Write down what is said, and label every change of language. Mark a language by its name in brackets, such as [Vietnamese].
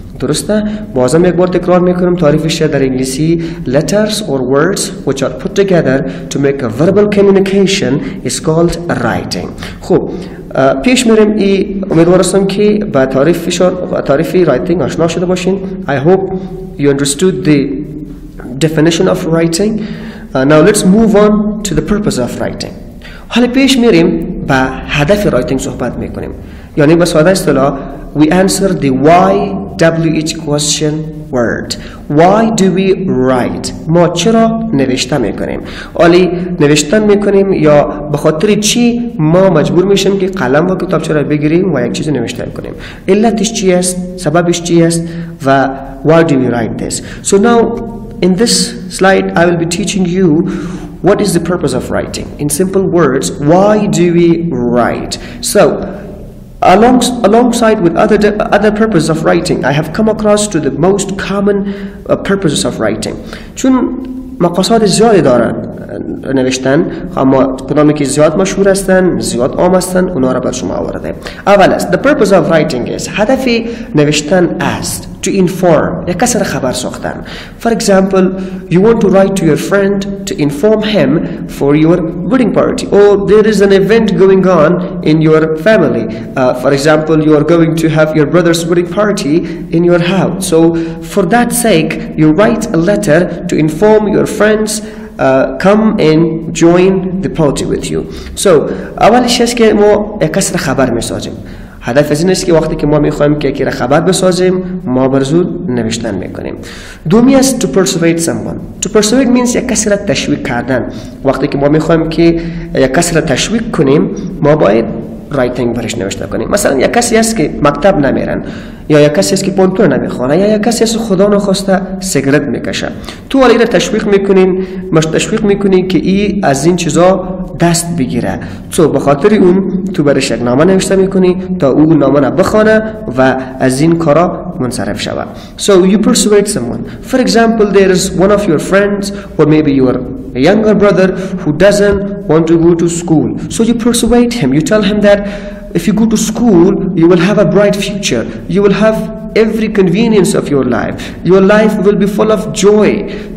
[Persian] درسته؟ بازم یک بار تکرار میکنم تعریفش در انگلیسی [English] letters or words which are put together to make a verbal communication is called writing. [Persian] خب پیش میریم، ای امیدوارستم که به تعریفی writing آشنا شده باشین. [English] I hope you understood the definition of writing. Now let's move on to the purpose of writing. [Persian] حالا پیش میریم به هدف writing صحبت میکنیم، یعنی به ساده اصطلاح [English] we answer the why WH question word. Why do we write? [Persian] ما چرا نوشته میکنیم؟ ولی نوشتن میکنیم یا به خاطر چی ما مجبور میشیم که قلم و کتابچه را بگیریم و یک چیز نوشته کنیم؟ علتش چی است؟ سببش چی است؟ و [English] why do we write this? So now in this slide I will be teaching you what is the purpose of writing. In simple words, why do we write? So alongside with other purposes of writing, I have come across to the most common purposes of writing. [Persian] چون مقاصد زیادی دارن نوشتن، اما کدامی که زیاد مشهور هستن، زیاد عام هستن، اونا را بر شما آورده. اول است، [English] the purpose of writing is، [Persian] هدف نوشتن است، [English] to inform، [Persian] یک کس را خبر ساختن. [English] For example، you want to write to your friend to inform him for your wedding party. Or there is an event going on in your family. For example, you are going to have your brother's wedding party in your house. So for that sake, you write a letter to inform your friends, come and join the party with you. [Persian] So, اولیش هست که ما یک کس را خبر میسازیم. هدف از این است که وقتی که ما میخواییم که یکی را خبر بسازیم، ما برزود نوشتن میکنیم. دومی است [English] to persuade someone. To persuade means [Persian] یک کس را تشویق کردن. وقتی که ما میخواییم که یک کس را تشویق کنیم، ما باید رایتنگ برش نوشته کنیم. مثلا یک کسی هست که مکتب نمیرن، یا یک کسی هست که پونتور نمیخوره، یا یک کسی هست خدا نخواسته سیگرت میکشه، تو ولی را تشویق میکنین، مش تشویق میکنین که ای از این چیزا دست بگیره. تو بخاطر اون تو برش یک نامه نوشته میکنی تا او نامه را بخونه و از این کارا منصرف شوه. [English] So you persuade someone. For example, there is one of your friends or maybe your younger brother who doesn't want to go to school. So you persuade him. You tell him that if you go to school, you will have a bright future. You will have every convenience of your life. Your life will be full of joy.